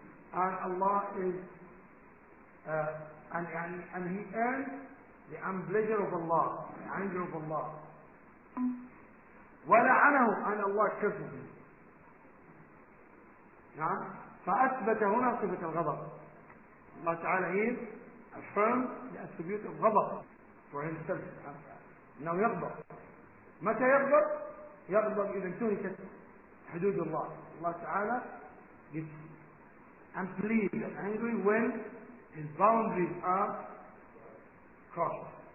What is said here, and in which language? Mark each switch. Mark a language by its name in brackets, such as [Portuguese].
[English] And Allah is and he earned the displeasure of Allah, the anger of Allah. [Arabic] ولعنه. [English] And Allah cursed him. [Arabic] نعم. فأثبت هنا صفة الغضب. [English] الله تعالى here affirmed the attribute of غضب for himself. Now يغضب. [Arabic] متى يغضب؟ يغضب إذا انتهكت حدود الله. [English] الله تعالى gets amplified and angry when his boundaries are crossed.